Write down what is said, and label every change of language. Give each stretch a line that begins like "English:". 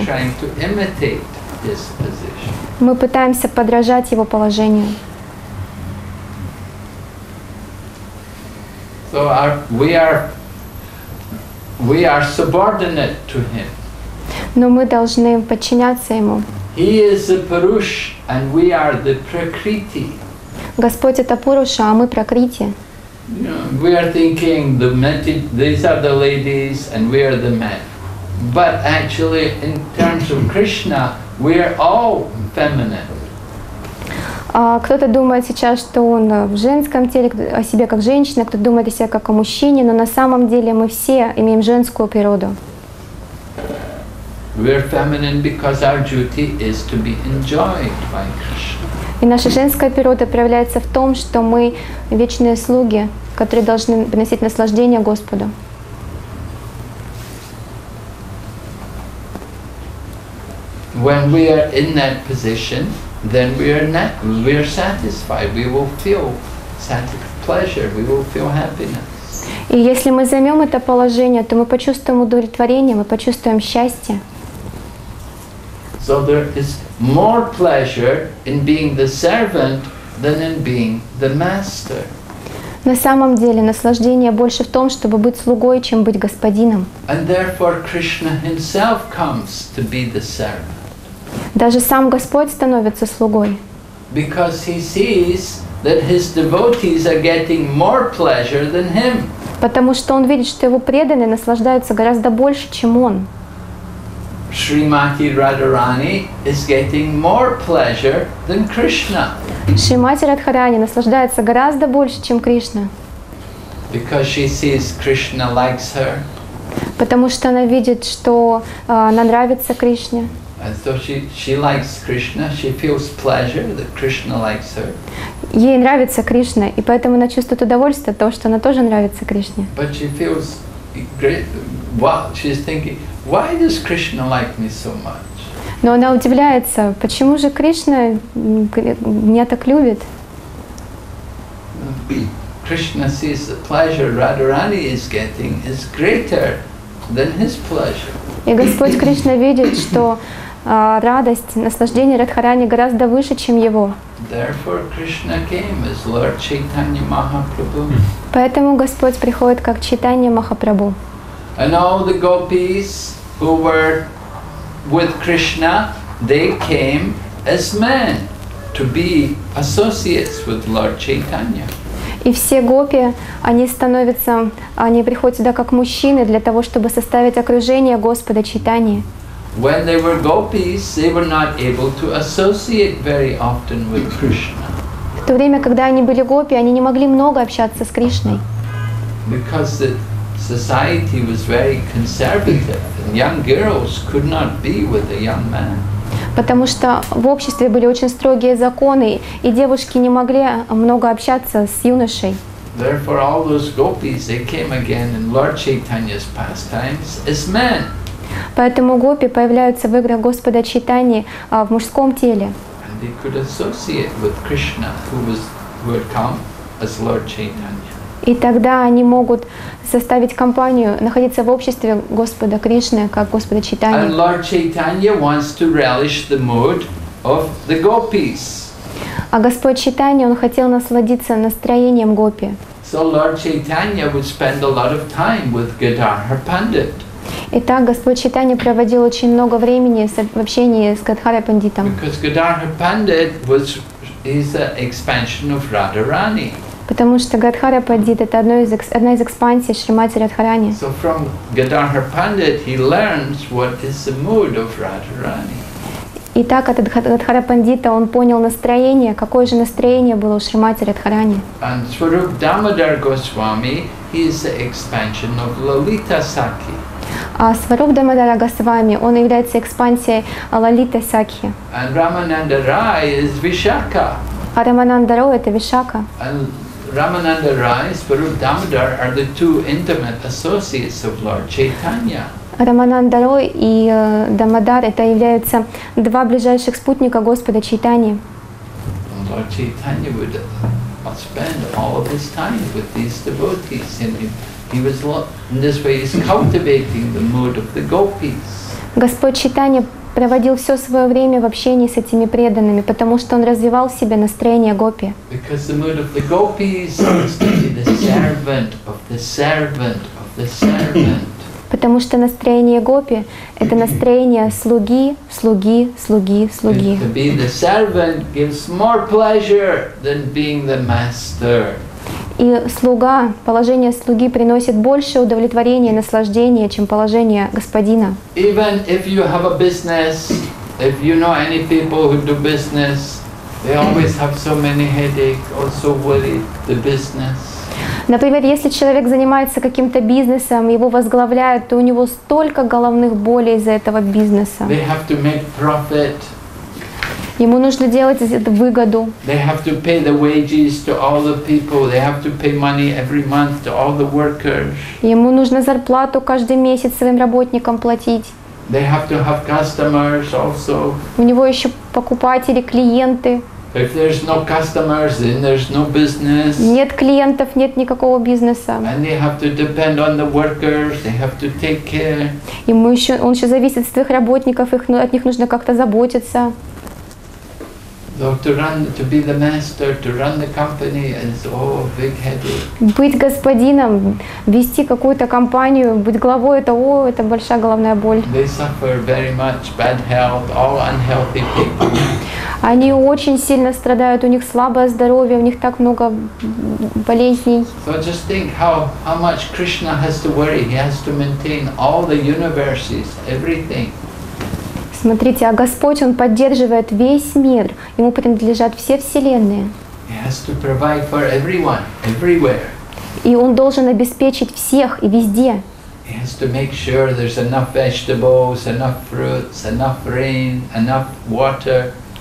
English: We are trying to imitate his position.
Russian: Мы пытаемся подражать Его положению.
English: So we are subordinate to him.
Russian: Но мы должны подчиняться Ему.
English: He is the Purush, and we are the Prakriti.
Russian: Господь — это Пуруша, а мы Пракрити.
English: We are thinking these are the ladies, and we are the men. But actually, in terms of Krishna, we are all feminine.
Russian: Кто-то думает сейчас, что он в женском теле, о себе как женщина, кто-то думает о себе как о мужчине, но на самом деле мы все имеем женскую природу.
English: We are feminine because our duty is to be enjoyed by Krishna.
Russian: И наша женская природа проявляется в том, что мы вечные слуги, которые должны приносить наслаждение Господу.
English: When we are in that position, then we are satisfied. We will feel pleasure. We will feel happiness.
Russian: И если мы займем это положение, то мы почувствуем удовлетворение, мы почувствуем счастье.
English: So there is more pleasure in being the servant than in being the master.
Russian: На самом деле, наслаждение больше в том, чтобы быть слугой, чем быть господином.
English: And therefore Krishna himself comes to be the servant.
Russian: Даже сам Господь становится слугой.
English: Because he sees that his devotees are getting more pleasure than him.
Russian: Потому что он видит, что его преданные наслаждаются гораздо больше, чем он.
English: Shrimati Radharani is getting more pleasure than Krishna.
Russian: Shrimati Radharani наслаждается гораздо больше, чем Кришна.
English: Because she sees Krishna likes her.
Russian: Потому что она видит, что она нравится Кришне.
English: And so she likes Krishna. She feels pleasure that Krishna likes her.
Russian: Ей нравится Кришна, и поэтому она чувствует удовольствие от того, что она тоже нравится Кришне.
English: But she feels great. Well, she's thinking, why does Krishna like me so much?
Russian: Но она удивляется, почему же Кришна меня так любит?
English: Krishna sees the pleasure Radharani is getting is greater than his pleasure.
Russian: И Господь Кришна видит, что радость, наслаждение Радхарани гораздо выше, чем его.
English: Therefore, Krishna came as Lord Chaitanya Mahaprabhu.
Russian: Поэтому Господь приходит как Чайтанья Махапрабху.
English: And all the gopis who were with Krishna, they came as men to be associates with Lord Chaitanya.
Russian: И все гопи, они приходят сюда как мужчины для того, чтобы составить окружение Господа Чайтаньи.
English: When they were gopis, they were not able to associate very often with Krishna.
Russian: В то время, когда они были гопи, они не могли много общаться с Кришной.
English: Because the society was very conservative, and young girls could not be with a young man.
Russian: Потому что в обществе были очень строгие законы, и девушки не могли много общаться с юношей.
English: Therefore, all those gopis, they came again in Lord Chaitanya's pastimes as men.
Russian: Поэтому гопи появляются в играх Господа Чайтаньи в мужском теле.
English: And they could associate with Krishna, who had come as Lord Chaitanya.
Russian: И тогда они могут составить компанию, находиться в обществе Господа Кришны, как Господа Чайтаньи.
English: And Lord Chaitanya wants to relish the mood of the gopis.
Russian: А Господь Чайтанья, он хотел насладиться настроением гопи.
English: So Lord Chaitanya would spend a lot of time with Gadadhar Pandit.
Russian: Итак, Господь Чайтанья проводил очень много времени в общении с Гадхарой Пандитом.
English: Because Gadadhar Pandit is an expansion of Radharani.
Russian: Потому что Гадхара Пандит — это одна из экспансий Шримати Радхарани.
English: So from Gadadhar Pandit he learns what is the mood of Radharani.
Russian: И так от Гадхара Пандита он понял настроение, какое же настроение было у Шримати Радхарани.
English: And Swarup Damodar Goswami, he is the expansion of Lalita Sakhi.
Russian: А Сваруп Дамодара Госвами, он является экспансией Лалиты Сакхи.
English: And Рамананда Рай is Вишака.
Russian: А Рамананда Рай — это Вишака.
English: Рамананда Рай и Сваруп Дамодар are the two intimate associates of Lord Chaitanya.
Russian: Рамананда Рай и Дамодар — это являются два ближайших спутника Господа Чайтаньи.
English: Lord Chaitanya would spend all of his time with these devotees. In this way, he's cultivating the mood of the gopis.
Russian: Господь Чайтанья проводил все свое время в общении с этими преданными, потому что он развивал в себе настроение гопи.
English: Because the mood of the gopis is to be the servant of the servant of the servant.
Russian: Потому что настроение гопи — это настроение слуги, слуги, слуги, слуги.
English: To be the servant gives more pleasure than being the master.
Russian: И слуга, положение слуги приносит больше удовлетворения и наслаждения, чем положение господина.
English: Even if you have a business, if you know any people who do business, they always have so many headaches or so worried the business.
Russian: Например, если человек занимается каким-то бизнесом, его возглавляют, то у него столько головных болей из-за этого бизнеса.
English: They have to make profit.
Russian: Ему нужно делать эту выгоду.
English: They have to pay the wages to all the people. They have to pay money every month to all the workers.
Russian: Ему нужно зарплату каждый месяц своим работникам платить.
English: They have to have customers also.
Russian: У него еще покупатели, клиенты.
English: If there's no customers, then there's no business.
Russian: Нет клиентов, нет никакого бизнеса.
English: And they have to depend on the workers. They have to take care.
Russian: Ему еще, он еще зависит от своих работников, от них нужно как-то заботиться.
English: To be the master, to run the company is all a big headache.
Russian: Быть господином, вести какую-то компанию, быть главой — это большая головная боль.
English: They suffer very much bad health, all unhealthy people.
Russian: Они очень сильно страдают, у них слабое здоровье, у них так много болезней.
English: So just think how much Krishna has to worry. He has to maintain all the universes, everything.
Russian: Смотрите, а Господь, Он поддерживает весь мир. Ему принадлежат все вселенные.
English: He has to provide for everyone, everywhere.
Russian: И Он должен обеспечить всех и везде.
English: He has to make sure there's enough vegetables, enough fruits, enough rain, enough water.